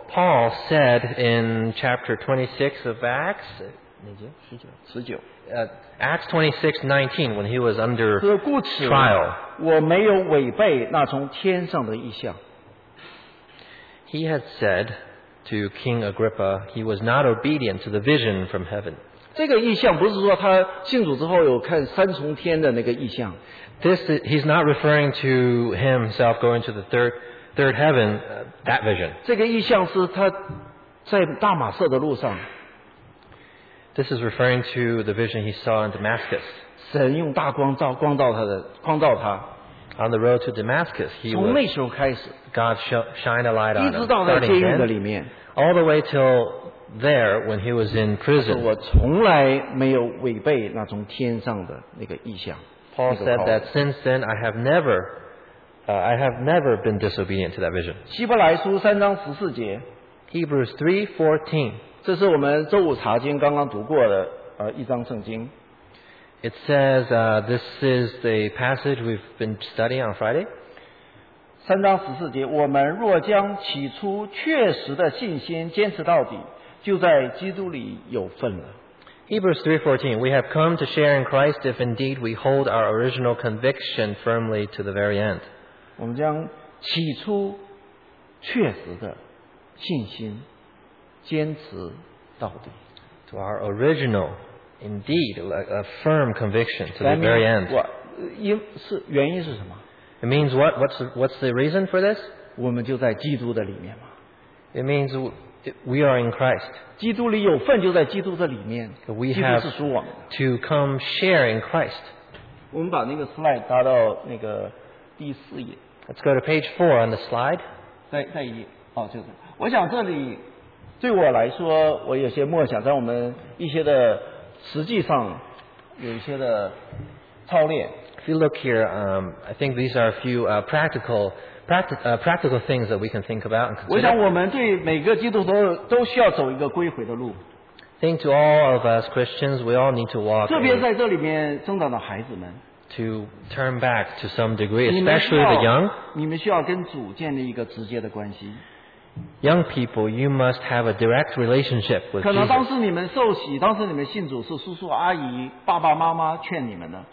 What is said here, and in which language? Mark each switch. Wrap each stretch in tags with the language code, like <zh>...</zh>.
<en>Paul said in chapter 26 of Acts, 19. Acts 26:19, when he was under trial,</en> <zh>我没有违背那从天上的意象。</zh> <en>He had said to King Agrippa, he was not obedient to the vision from heaven.</en> <zh>这个意象不是说他信主之后有看三重天的那个意象。</zh> <en>This is, he's not referring to himself going to the third heaven, that vision.</en> <zh>这个意象是他在大马色的路上。</zh> <en>This is referring to the vision he saw in Damascus.</en> <zh>神用大光照光照他的光照他。</zh> <en>On the road to Damascus, he was.</en> <zh>从那时候开始。</zh> <en>God shined a light on him.</en> <zh>一直到在监狱的里面。</zh> <en>All the way till there when he was in prison.</en> <zh>我从来没有违背那从天上的那个意象。</zh> <en>Paul said that since then I have never been disobedient to that vision.</en> <zh>希伯来书三章十四节。</zh> <en>Hebrews 3:14.</en> <zh>这是我们周五查经刚刚读过的一章圣经。</zh> <en>It says, this is the passage we've been studying on Friday.</en> <zh>三章十四节，我们若将起初确实的信心坚持到底，就在基督里有份了。</zh> <en>Hebrews 3:14, we have come to share in Christ if indeed we hold our original conviction firmly to the very end.</en> <zh>我们将起初确实的信心坚持到底。</zh> <en>To our original, indeed, like a firm conviction to the very end.</en> <zh>原因是什么？</zh> <en>It means what? What's the reason for this?</en> <zh>我们就在基督的里面嘛。</zh> <en>It means we are in Christ.</en> <zh>基督里有份就在基督的里面。</zh> <en>We have to come share in Christ.</en> <zh>我们把那个 slide 搭到那个第四页。</zh> <en>Let's go to page 4 on the slide.</en> <zh>再一页。哦，就是。我想这里对我来说，我有些默想，在我们一些的实际上有一些的操练。</zh> <en>If you look here, I think these are a few practical things that we can think about and consider.</en> <zh>我想我们对每个基督徒都需要走一个归回的路。</zh> <en>Think to all of us Christians, we all need to walk.</en> <zh>特别在这里面增长的孩子们。</zh> <en>To turn back to some degree, especially the young.</en> <zh>你们需要跟主建立一个直接的关系。</zh> <en>Young people, you must have a direct relationship with Jesus.</en> <zh>可能当时你们受洗，当时你们信主是叔叔阿姨、爸爸妈妈劝你们的。</zh>